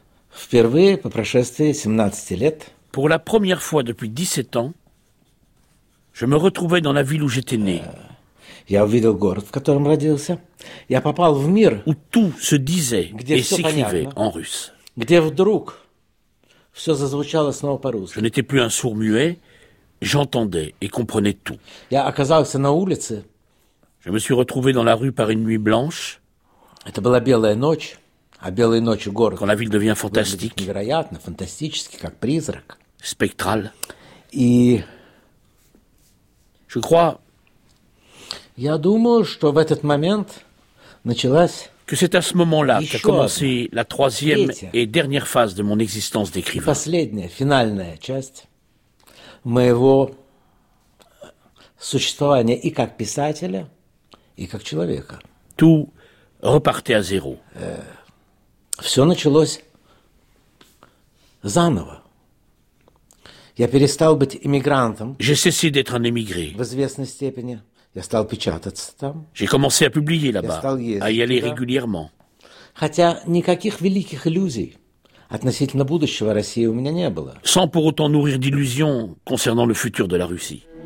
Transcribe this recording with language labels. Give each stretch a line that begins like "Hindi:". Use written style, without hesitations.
Russian: Впервые по прошествии 17 лет.
French: Pour la première fois depuis 17 ans, je me retrouvais dans la ville où j'étais né.
Russian: Я увидел город, в котором родился. Я попал в мир,
French: où tout se disait et s'écrivait en russe.
Russian: Где вдруг все зазвучало снова по-русски.
French: Je n'étais plus un sourd muet, j'entendais et comprenais tout.
Russian: Я оказался на улице.
French: Je me suis retrouvé dans la rue par une nuit blanche.
Russian: Это была белая ночь.
French: Quand la ville devient fantastique,
Russian: невероятно, фантастически, как призрак,
French: spectral. Et je crois,
Russian: я думаю, что в этот момент началась,
French: que c'est à ce moment-là qu'a commencé la troisième et dernière phase de mon existence d'écrivain.
Russian: Последняя, финальная часть моего существования и как писателя, и как человека.
French: Tout repartait à zéro.
Russian: Все началось заново. Я перестал быть иммигрантом.
French: J'ai cessé d'être un émigré.
Russian: В известной степени. Я стал печататься там.
French: J'ai commencé à publier là-bas, à y aller régulièrement.
Russian: Хотя никаких великих иллюзий относительно будущего России у меня не было.
French: Sans pour autant nourrir d'illusions concernant le futur de la Russie.